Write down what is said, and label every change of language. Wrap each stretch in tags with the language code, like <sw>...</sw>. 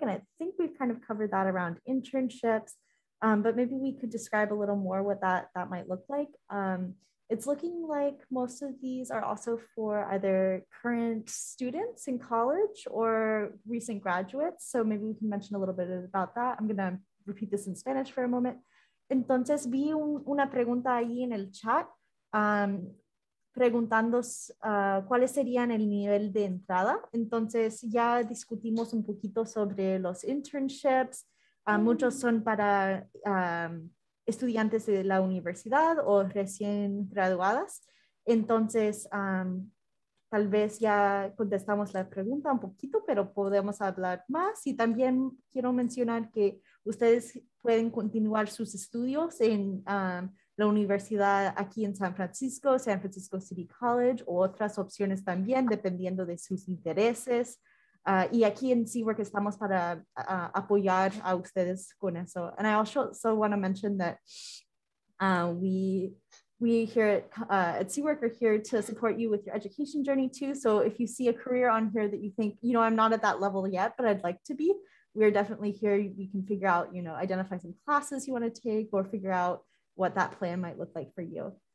<en>And I think we've kind of covered that around internships, but maybe we could describe a little more what that might look like. It's looking like most of these are also for either current students in college or recent graduates. So maybe we can mention a little bit about that. I'm gonna repeat this in Spanish for a moment.</en> <es>Entonces vi una pregunta ahí en el chat preguntando cuáles serían el nivel de entrada. Entonces ya discutimos un poquito sobre los internships. Muchos son para estudiantes de la universidad o recién graduadas. Entonces, tal vez ya contestamos la pregunta un poquito, pero podemos hablar más. Y también quiero mencionar que ustedes pueden continuar sus estudios en la universidad aquí en San Francisco, San Francisco City College, o otras opciones también, dependiendo de sus intereses. Y aquí en CWRC estamos para apoyar a ustedes con eso.</es> <en>And I also want to mention that we here at CWRC are here to support you with your education journey too. So if you see a career on here that you think, you know, I'm not at that level yet, but I'd like to be, we're definitely here. We can figure out, you know, identify some classes you want to take or figure out what that plan might look like for you.</en>